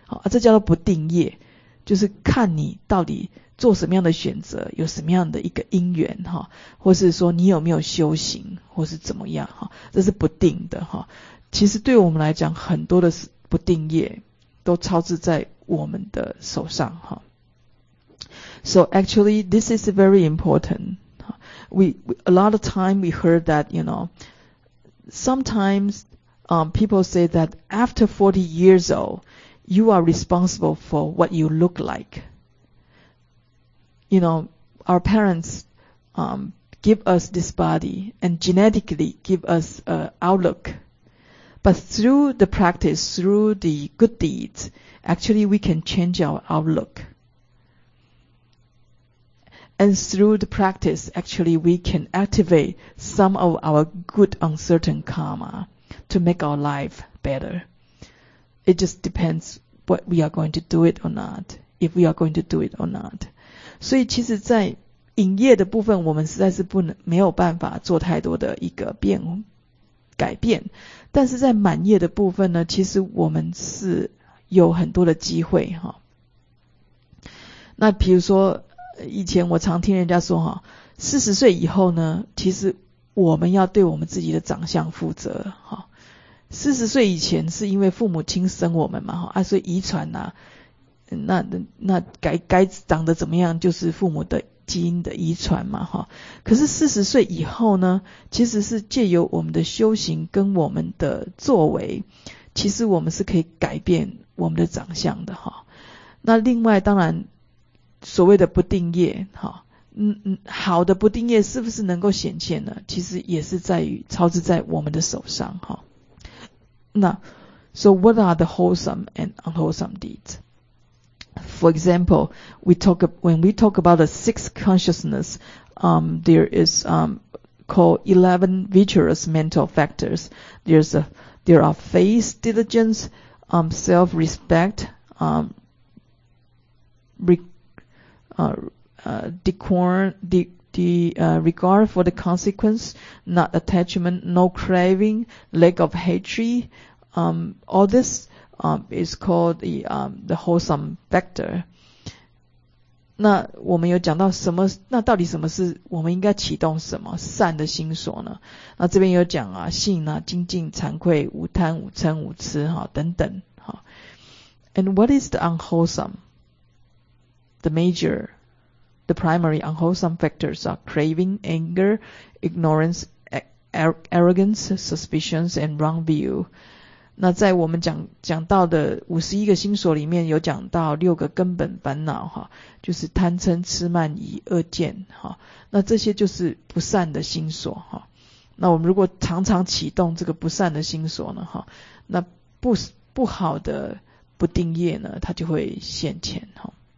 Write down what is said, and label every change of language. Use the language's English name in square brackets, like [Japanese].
[Chinese] 这叫做不定业，就是看你到底做什么样的选择，有什么样的一个因缘，或是说你有没有修行或是怎么样，这是不定的。其实对我们来讲很多的不定业都操持在我们的手上。 [English] So actually this is very important. A lot of time we heard that, you know, sometimes people say that after 40 years old, you are responsible for what you look like. You know, our parents give us this body and genetically give us an outlook. But through the practice, through the good deeds, actually we can change our outlook. And through the practice, actually we can activate some of our good uncertain karma to make our life better. It just depends what we are going to do it or not, if we are going to do it or not. [Chinese] 所以其实在营业的部分我们实在是没有办法做太多的一个改变，但是在满业的部分呢，其实我们是有很多的机会。那比如说以前我常听人家说，40岁以后呢，其实我们要对我们自己的长相负责。 40岁以前是因为父母亲生我们嘛，所以遗传啊，那 该长得怎么样就是父母的基因的遗传嘛，可是40岁以后呢，其实是借由我们的修行跟我们的作为，其实我们是可以改变我们的长相的。那另外当然所谓的不定业，好的不定业是不是能够显现呢？其实也是在于操持在我们的手上。 [English] 那 So what are the wholesome and unwholesome deeds? For example, when we talk about the sixth consciousness, there is called 11 virtuous mental factors. There are faith, diligence, self-respect, regard for the consequence, not attachment, no craving, lack of hatred, all this. Is called the wholesome factor. [Chinese] 那我们有讲到什么，那到底什么是我们应该启动什么善的心所呢？那这边有讲啊，信啊，精进，惭愧，无贪，无嗔，无痴，等等。 [English] And what is the unwholesome? The primary unwholesome factors are craving, anger, ignorance, arrogance, suspicions, and wrong view. [Chinese] 那在我们讲到的51个心所里面有讲到6个根本烦恼哈，就是贪嗔痴慢疑恶见哈，那这些就是不善的心所哈。那我们如果常常启动这个不善的心所呢哈，那不好的不定业呢它就会现前哈。